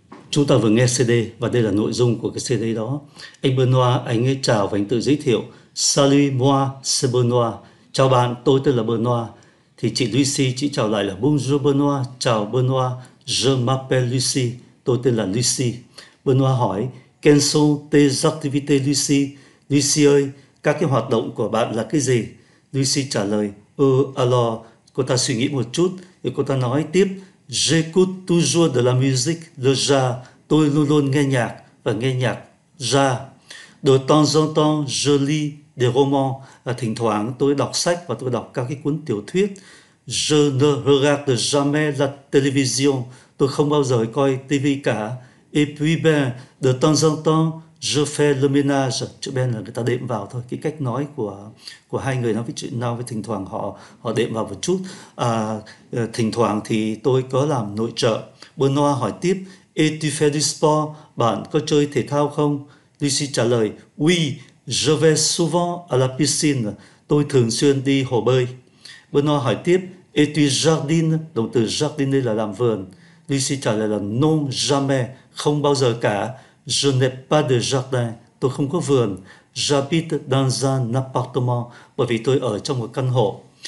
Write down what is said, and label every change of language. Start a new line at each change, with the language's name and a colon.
Vietnamese: Chúng ta vừa nghe CD và đây là nội dung của cái CD đó. Anh Benoit, anh ấy chào và anh tự giới thiệu.
French: Salut, moi, c'est Benoit.
Vietnamese: Chào bạn, tôi tên là Benoit. Thì chị Lucy, chị chào lại là
French: Bonjour Benoit.
Vietnamese: Chào Benoit,
French: je m'appelle Lucy.
Vietnamese: Tôi tên là Lucy.
French: Benoit hỏi, quelles sont tes activités, Lucy?
Vietnamese: Lucy ơi, các cái hoạt động của bạn là cái gì? Lucy trả lời, alors, cô ta suy nghĩ một chút, rồi cô ta nói tiếp,
French: j'écoute toujours de la musique, le jazz,
Vietnamese: tôi luôn luôn nghe nhạc, và nghe nhạc jazz.
French: De temps en temps, je lis des romans,
Vietnamese: thỉnh thoảng tôi đọc sách và tôi đọc các cái cuốn tiểu thuyết.
French: Je ne regarde jamais la télévision,
Vietnamese: tôi không bao giờ coi tivi cả.
French: Et puis de temps en temps, je fais le ménage.
Vietnamese: Chữ ben là người ta đệm vào thôi. Cái cách nói của hai người nói với chuyện nào với thỉnh thoảng họ họ đệm vào một chút. Thỉnh thoảng thì tôi có làm nội trợ. Benoit hỏi tiếp,
French: Et tu fais du sport?
Vietnamese: Bạn có chơi thể thao không? Lucy trả lời,
French: Oui, je vais souvent à la piscine.
Vietnamese: Tôi thường xuyên đi hồ bơi. Benoit hỏi tiếp,
French: Et tu jardines?
Vietnamese: Động từ jardiner là làm vườn. Lucy trả lời là
French: non jamais,
Vietnamese: không bao giờ cả.
French: Je n'ai pas de jardin,
Vietnamese: tôi không có vườn.
French: J'habite dans un appartement,
Vietnamese: bởi vì tôi ở trong một căn hộ.